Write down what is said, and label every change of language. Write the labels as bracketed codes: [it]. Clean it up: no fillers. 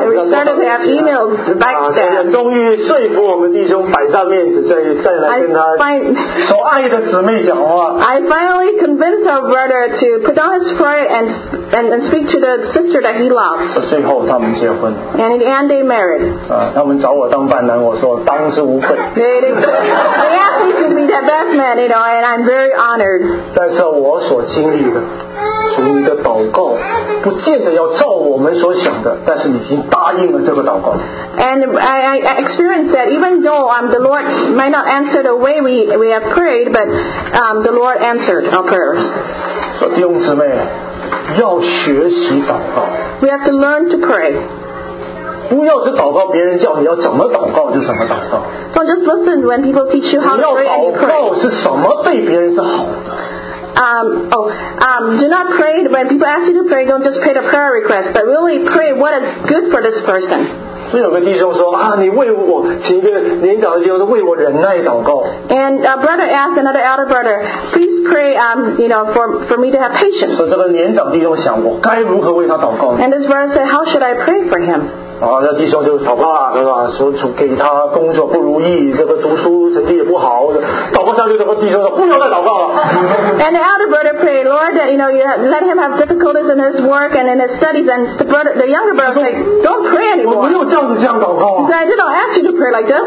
[en] We started to have emails back then. [zh] 终于说服我们弟兄摆上面子再来跟他所爱的姊妹讲话。 [en] I finally convinced our brother to put on his pride and speak to the sister that he loves. [zh] 最后他们结婚。 [en] And in the end, they married. [zh] 他们找我当伴郎，我说当之无愧。 [en] They asked me to be their best man, you know, and I'm very honored. [zh] 但是我所经历的。主你的祷告不见得要照我们所想的，但是你已经答应了这个祷告。 [en] And I experienced that even though the Lord might not answer the way we have prayed, but the Lord answered our prayers. [zh] 所以弟兄姊妹要学习祷告。 [en] We have to learn to pray. [zh] 不要是祷告别人叫你要怎么祷告就怎么祷告。 [en] Don't just listen when people teach you how to pray and you pray. [zh] 祷告是什么对别人是好的。 [en] Do not pray when people ask you to pray. Don't just pray the prayer request, but really pray what is good for this person. [zh] 所以有个弟兄说啊，你为我请一个年长的弟兄为我忍耐祷告。 [en] And a brother asked another elder brother, please pray, for me to have patience. [zh] 所以这个年长弟兄想，我该如何为他祷告呢 [en] ？And this brother said, how should I pray for him? [zh] 啊，那弟兄就祷告了，是吧？说给他工作不如意，这个读书成绩也不好，祷告下去，这个弟兄说不要再祷告了。 [en] And the elder brother prayed, Lord, that, you know, you let him have difficulties in his work and in his studies. And the younger brother said, don't pray anymore. He said, I did not ask you to pray like